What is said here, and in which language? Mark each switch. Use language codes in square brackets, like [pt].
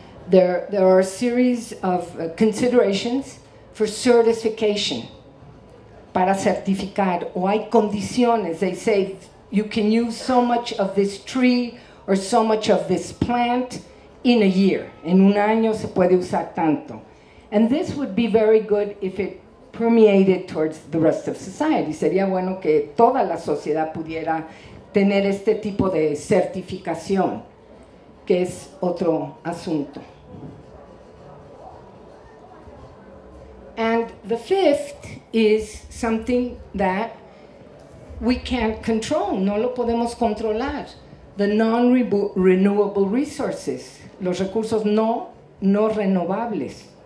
[en] there are a series of considerations for certification, [es] para certificar, o hay condiciones. [en] They say you can use so much of this tree or so much of this plant in a year. [es] En un año se puede usar tanto. [en] And this would be very good if it permeated towards the rest of society. [es] Sería bueno que toda la sociedad pudiera tener este tipo de certificación, que es otro asunto. [en] And the fifth is something that we can't control, [es] no lo podemos controlar. [en] The non-renewable resources, [es] los recursos no renovables.